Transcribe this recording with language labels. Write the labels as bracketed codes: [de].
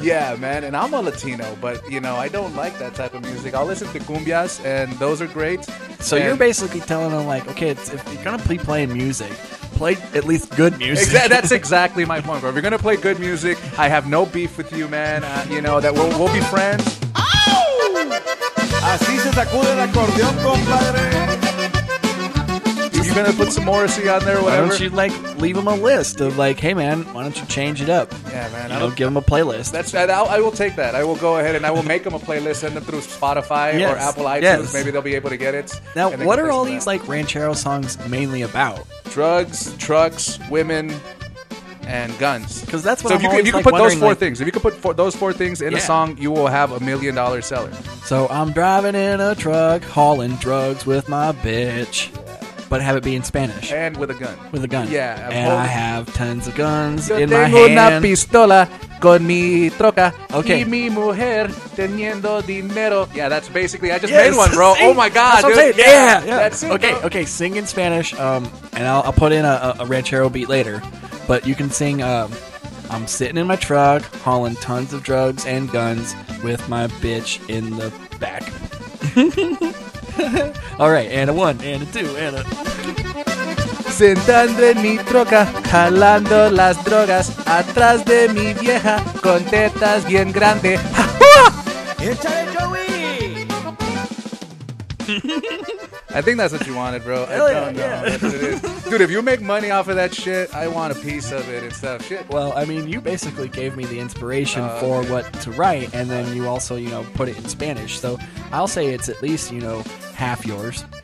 [en] Yeah, man, and I'm a Latino, but, you know, I don't like that type of music. I'll listen to cumbias, and those are great. So you're basically telling them, like, okay, if you're going to be playing music, play at least good music. That's exactly my point, bro. If you're going to play good music, I have no beef with you, man. You know, that we'll be friends. Oh! [es] Así se sacude el acordeón, compadre. [en] You're gonna put some Morrissey on there or whatever. Why don't you like leave him a list of like, hey man, why don't you change it up? Yeah, man. You know, give him a playlist. I will take that. I will go ahead and I will make him a playlist, send them through Spotify or Apple iTunes. Yes. Maybe they'll be able to get it. Now, what are all these like ranchero songs mainly about? Drugs, trucks, women, and guns. Because that's what so I'm if you like can put those four like, things, if you can put those four things in a song, you will have $1 million seller. So I'm driving in a truck, hauling drugs with my bitch. But have it be in Spanish. And with a gun. With a gun. Yeah. And I have tons of guns yo in my hand. [es] Yo tengo una pistola con mi troca. [en] Okay. [es] Y mi mujer teniendo dinero. [en] Yeah, that's basically, I just made one, bro. See? Oh my God. That's dude. Yeah. That's it, okay, bro. Okay, sing in Spanish, and I'll put in a ranchero beat later. But you can sing, I'm sitting in my truck, hauling tons of drugs and guns with my bitch in the back. All right, and a one, and a two, and a... [es] Sentando en mi troca, jalando las drogas, atrás de mi vieja, con tetas bien grande. ¡Échale, Joey! [en] I think that's what you wanted, bro. Hell I don't know. Yeah. That's what it is. Dude, if you make money off of that shit, I want a piece of it and stuff. Shit. Well, I mean, you basically gave me the inspiration for what to write, and then you also, you know, put it in Spanish. So I'll say it's at least, you know, half yours.